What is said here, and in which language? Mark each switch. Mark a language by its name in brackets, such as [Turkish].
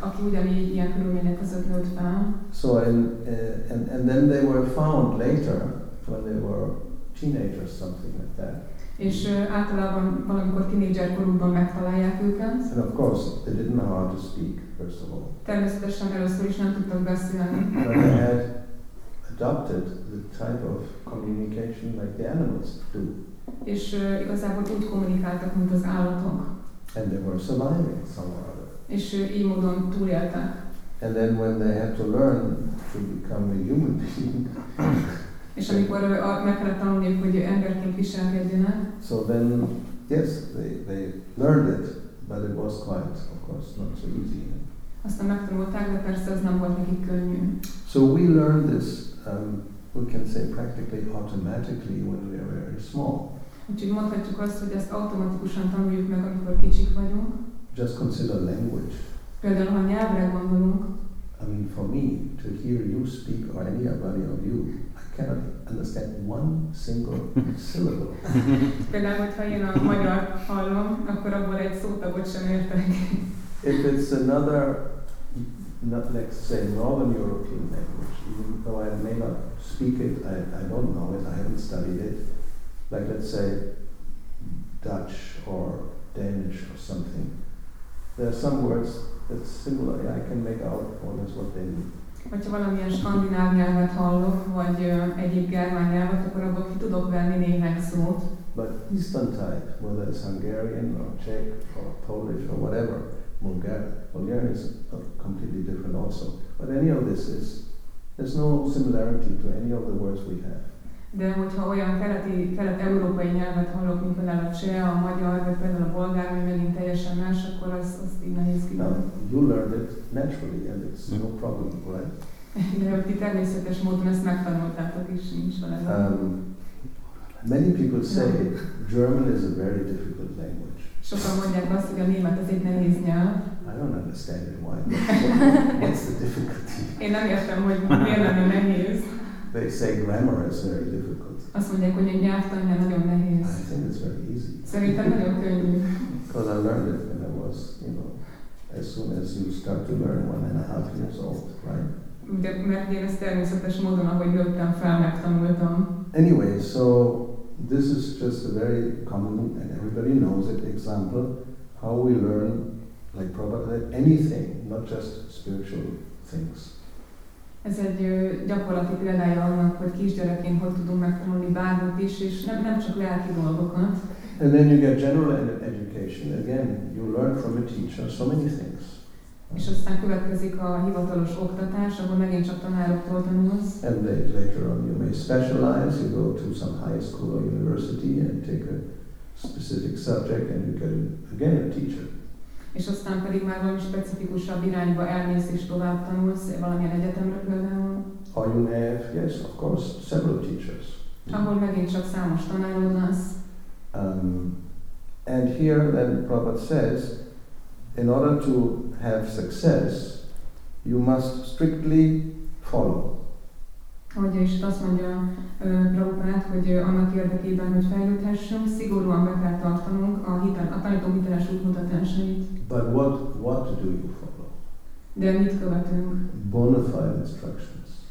[English] So and then they were found later when they were teenagers, something like that. [Hungarian] És általában valamikor tinédzser korukban megtalálják őket. [English] And of course, they didn't know how to speak, first of all. [Hungarian] Természetesen először is nem tudtak beszélni. [English] But they had adopted the type of communication like the animals do. [Hungarian] És igazából úgy kommunikáltak, mint az állatok. [English] And they were surviving somehow. [Hungarian] És így módon túléltek. [English] And then when they had to learn to become a human being, [Hungarian] és amikor meg kellett tanulniuk, hogy emberként viselkedjenek. [English] So then, yes, they learned it, but it was quite, of course, not so easy. [Hungarian] Aztán megtanulták, de persze ez nem volt nekik könnyű. [English] So we learned this, we can say practically automatically when we are very small. [Hungarian] Úgyhogy mondhatjuk azt, hogy ezt automatikusan tanuljuk meg, amikor kicsik vagyunk. [English] Just consider language. [Hungarian] Például, ha nyelvre gondolunk. [English] I mean, for me, to hear you speak or anybody of you, I cannot understand one single syllable. [Hungarian] Például, hogyha én a magyar hallom, akkor abból egy szótagot sem értek. [English] If it's another, not let's say Northern European language, even though I may not speak it, I don't know it, I haven't studied it, like let's say Dutch or Danish or something, there are some words that similarly I can make out almost what they mean. [Hungarian] Hogyha valamilyen skandináv nyelvet hallok, vagy egyéb germán nyelvet, akkor abból ki tudok venni néhány szót. [English] But Eastern type, whether it's Hungarian or Czech or Polish or whatever, Bulgarian is completely different also. But any of this is, there's no similarity to any of the words we have. [Hungarian] De hogyha olyan kelet-európai nyelvet hallok, mint például a cseh, a magyar, vagy például a bolgár, ami megint teljesen más, akkor az így nehéz ki. [English] Now, you learned it naturally, and it's no problem, right? [Hungarian] De hogy ti természetes módon ezt megtanultátok, és nincs vele. [English] Many people say German is a very difficult language. [Hungarian] Sokan mondják azt, hogy a német az egy nehéz nyelv. [English] I don't understand it, why. What's the difficulty? [Hungarian] Én nem értem, hogy miért lenne nehéz. [English] They say grammar is very difficult. [Hungarian] Azt mondják, hogy egy nyelvtanulás nagyon nehéz. [English] I think it's very easy. [Hungarian] Szerintem nagyon könnyű. [English] Because I learned it when I was, you know, as soon as you start to learn 1.5 years old, right? [Hungarian] Mert én ezt természetes módon, ahogy jöttem fel, megtanultam. [English] Anyway, so this is just a very common, and everybody knows it, example, how we learn, like probably anything, not just spiritual things. [Hungarian] Ez egy gyakorlati példája annak, hogy kisgyerekként hogy tudunk megtanulni bármit is, és nem csak lelki dolgokat. [English] And then you get general education. Again, you learn from a teacher so many things. [Hungarian] És aztán következik a hivatalos oktatás, ahol megint csak tanároktól tanulsz. [English] And then later on you may specialize, you go to some high school or university and take a specific subject and you get again a teacher. [Hungarian] És aztán pedig már valami specifikusabb irányba elmész és tovább tanulsz, valamilyen egyetemre például. [English] Or you may have, yes, of course, several teachers. [Hungarian] Ahol megint csak számos tanárod lesz. [English] And here then Prabhupada says, in order to have success, you must strictly follow. [Hungarian] Ugye is azt mondja Prabhupád, hogy annak érdekében, hogy fejlődhessünk, szigorúan be kell tartanunk a hitel, a tanítók hiteles útmutatásait. [English] But what do you follow? [Hungarian] De mit követünk? [English] Bona fide instructions.